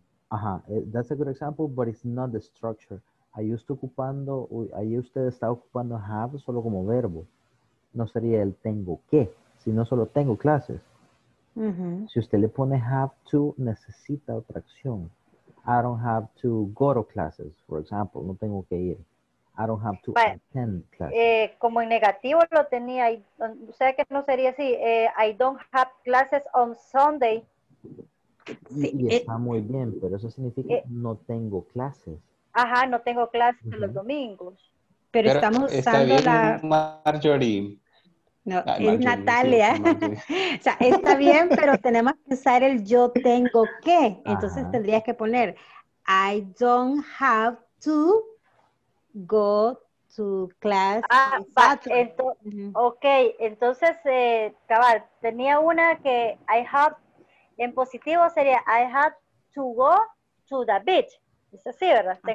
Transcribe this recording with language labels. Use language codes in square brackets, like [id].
[en] Ajá, that's a good example, but it's not the structure. [es] Ahí usted está ocupando have solo como verbo. No sería el tengo que, sino solo tengo clases. Mm-hmm. Si usted le pone have to, necesita otra acción. [en] I don't have to go to classes, for example. [es] No tengo que ir. [en] I don't have to attend classes. [es] Como en negativo lo tenía. O sea que no sería así. [en] I don't have classes on Sunday. [es] Y está muy bien, pero eso significa no tengo clases. Ajá, no tengo clases uh-huh. los domingos. Pero estamos usando está bien, la... Marjorie. No, ay, es Marjorie, Natalia. Sí, o sea, está bien, pero tenemos que usar el yo tengo que. Entonces ajá. tendrías que poner, [en] I don't have to go to class. [es] Ah, but, uh-huh. ok. Entonces, cabal, tenía una que I have, en positivo sería, [en] I have to go to the beach. [es] Es así, ¿verdad? Okay.